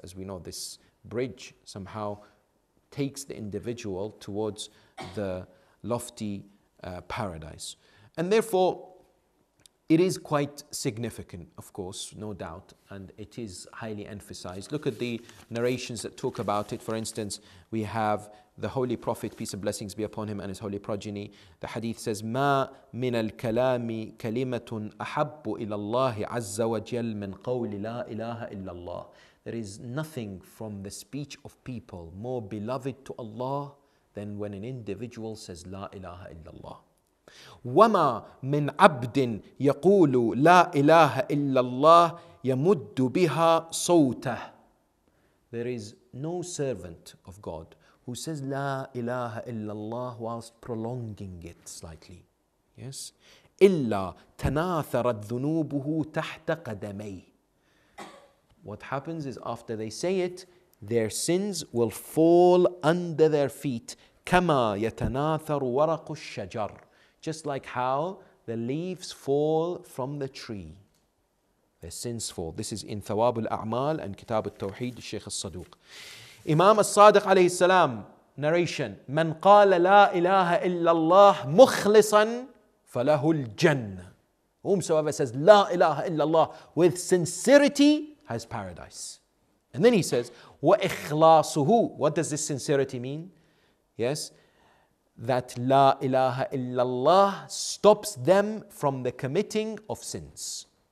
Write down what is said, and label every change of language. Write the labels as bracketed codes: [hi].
[en] As we know, this bridge somehow takes the individual towards the lofty paradise. And therefore, it is quite significant, of course, no doubt, and it is highly emphasized. Look at the narrations that talk about it. For instance, we have the Holy Prophet, peace and blessings be upon him and his holy progeny. The hadith says, [ar] مَا مِنَ الْكَلَامِ كَلِمَةٌ أَحَبُّ إِلَى اللَّهِ عَزَّ وَجَلْ مِنْ قَوْلِ لَا إِلَهَ إِلَّا اللَّهِ. [en] There is nothing from the speech of people more beloved to Allah than when an individual says, [ar] لا إله إلا الله. وَمَا مِنْ عَبْدٍ يَقُولُ لَا إِلَهَ إِلَّا اللَّهِ يَمُدُّ بِهَا صَوْتَهُ. [en] There is no servant of God who says [ar] La ilaha illallah [en] whilst prolonging it slightly. Yes? [ar] Illa tanatharat dhunubuhu tahta qadamay. [en] What happens is after they say it, their sins will fall under their feet. [ar] Kama yatanatharu waraqu ash-shajar. [en] Just like how the leaves fall from the tree, their sins fall. This is in Thawab al-A'mal and Kitab al-Tawheed, Shaykh al-Saduq. [ar] Imam al-Sadiq alayhi salam, narration, من قال لا إله إلا الله مخلصا فله الجنة. [en] Whomsoever says [ar] لا إله إلا الله [en] with sincerity has paradise. And then he says, وإخلاصه. What does this sincerity mean? Yes, that [ar] لا إله إلا الله [en] stops them from the committing of sins.